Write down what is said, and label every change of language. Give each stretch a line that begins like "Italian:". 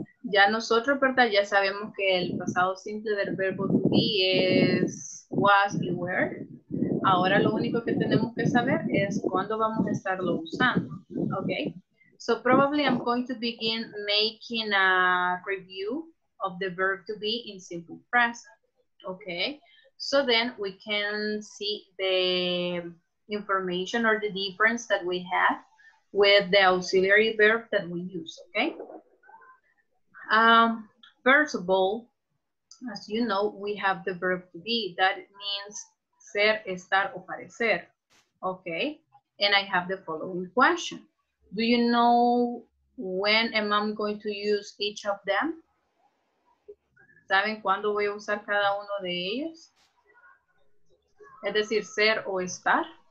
Spanish: Ya nosotros, ¿verdad?, ya sabemos que el pasado simple del verbo to be es was y were. Ahora lo único que tenemos que saber es cuándo vamos a estarlo usando. Okay.
English: So probably I'm going to begin making a review of the verb to be in simple present. Okay. So then we can see the information or the difference that we have with the auxiliary verb that we use. Okay. First of all, as you know, we have the verb to be. That means ser, estar, o parecer. Okay? And I have the following question. Do you know when am I going to use each of them?
Spanish: ¿Saben cuándo voy a usar cada uno de ellos? Es decir, ser o estar.